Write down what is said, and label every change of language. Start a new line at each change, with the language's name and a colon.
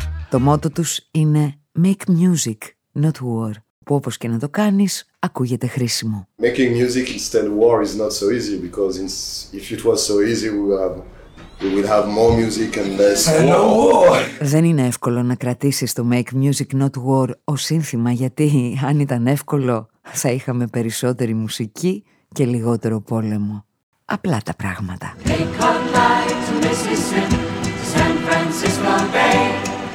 Greek: Το μότο τους είναι
English: «Make music, not war»,
Greek: που όπως και να το κάνεις, ακούγεται χρήσιμο.
English: Making music instead of war is not so easy, because if it was so easy, we would have more music and less war. No war.
Greek: Δεν είναι εύκολο να κρατήσεις το
English: «Make music, not war»
Greek: ως σύνθημα, γιατί αν ήταν εύκολο, θα είχαμε περισσότερη μουσική και λιγότερο πόλεμο. Απλά τα πράγματα.
English: Take a flight to Mississippi, San Francisco Bay.